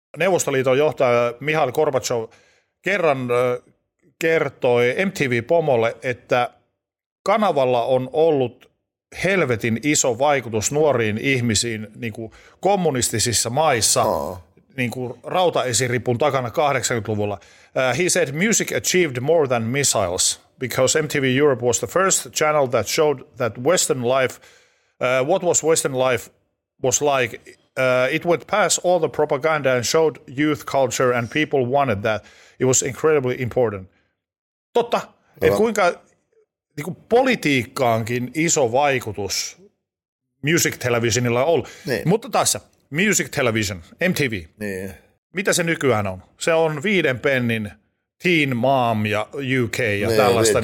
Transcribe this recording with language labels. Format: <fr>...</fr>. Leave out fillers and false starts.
<fi>Neuvostoliiton johtaja Mihail Gorbatšov kerran kertoi MTV-pomolle, että kanavalla on ollut helvetin iso vaikutus nuoriin ihmisiin niin kuin kommunistisissa maissa, niin kuin rautaesiripun takana 80-luvulla.</fi> <en>He said music achieved more than missiles because MTV Europe was the first channel that showed that Western life, what was Western life was like. It went past all the propaganda and showed youth culture and people wanted that. It was incredibly important.</en> <fi>Totta, että kuinka niin kuin politiikkaankin iso vaikutus music televisionilla on ollut. Niin. Mutta tässä, music television, MTV. Niin. Mitä se nykyään on? Se on viiden pennin Teen Mom ja UK ja niin, tällaista.</fi>